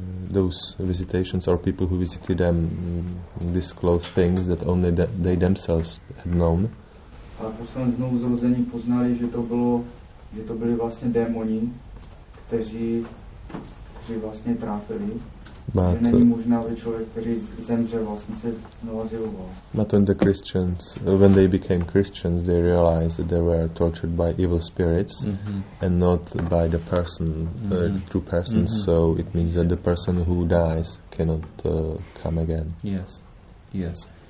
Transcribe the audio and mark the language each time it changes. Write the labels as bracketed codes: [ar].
[en] Those visitations or people who visited them disclosed things that only they themselves had known. [cs] Ale po svém znovu zrození poznali, že to bylo, že to byli vlastně démoni, kteří vlastně trápili. [en] But [cs] že není možná, aby člověk, který zemře, vlastně se znovu zjevoval. [en] But when the Christians, when they became Christians, they realized that they were tortured by evil spirits mm-hmm. and not by the person, mm-hmm. True person. Mm-hmm. So it means that the person who dies cannot come again. Yes, yes.